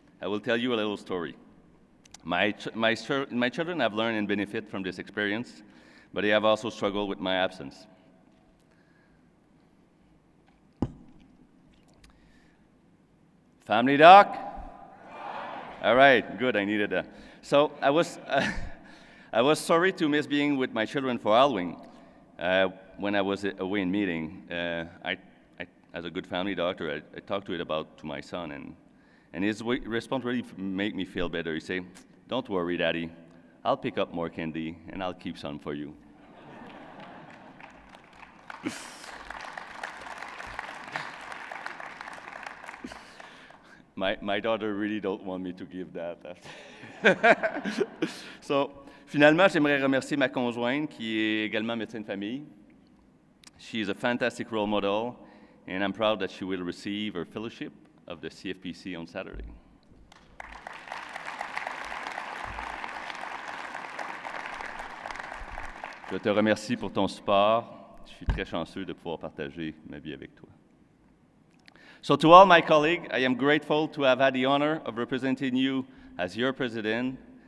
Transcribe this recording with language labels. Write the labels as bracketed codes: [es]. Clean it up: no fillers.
[en] I will tell you a little story. My children have learned and benefit from this experience, but they have also struggled with my absence. Family doc? All right, good, I needed that. So I was sorry to miss being with my children for Halloween when I was away in meeting. I, as a good family doctor, I talked to it about to my son, and his response really made me feel better. He said, "Don't worry, Daddy. I'll pick up more candy, and I'll keep some for you." My daughter really don't want me to give that. [fr] So, finalement, j'aimerais remercier ma conjointe, qui est également médecin de famille. [en] She is a fantastic role model, and I'm proud that she will receive her fellowship of the CFPC on Saturday. [fr] Je te remercie pour ton support. Je suis très chanceux de pouvoir partager ma vie avec toi. [en] So to all my colleagues, I am grateful to have had the honor of representing you as your president.